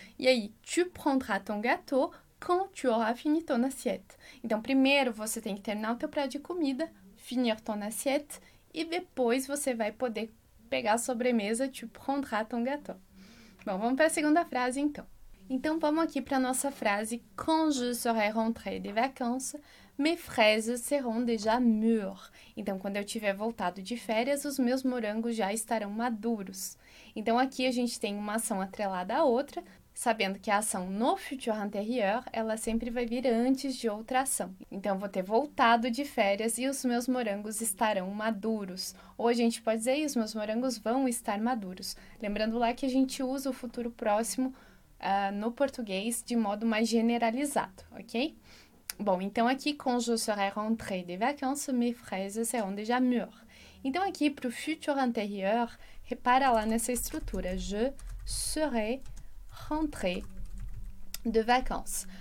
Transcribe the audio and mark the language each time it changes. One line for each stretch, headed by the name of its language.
Portuguese: E aí,
French: tu prendras ton gâteau quand tu auras fini ton assiette.
Portuguese: Então, primeiro você tem que terminar o teu prato de comida,
French: finir ton assiette,
Portuguese: e depois você vai poder pegar a sobremesa,
French: tu prendras ton gâteau.
Portuguese: Bom, vamos para a segunda frase, então. Então, vamos aqui para a nossa frase.
French: Quand je serai rentrée de vacances, mes fraises seront déjà mûres.
Portuguese: Então, quando eu tiver voltado de férias, os meus morangos já estarão maduros. Então, aqui a gente tem uma ação atrelada à outra, sabendo que a ação no futuro anterior, ela sempre vai vir antes de outra ação. Então, vou ter voltado de férias e os meus morangos estarão maduros. Ou a gente pode dizer, os meus morangos vão estar maduros. Lembrando lá que a gente usa o futuro próximo no português de modo mais generalizado, ok? Bom, então aqui,
French: quand je serai rentrée de vacances, mes fraises seront déjà mûres.
Portuguese: Então aqui, para o futur antérieur, repara lá nessa estrutura.
French: Je serai rentrée de vacances.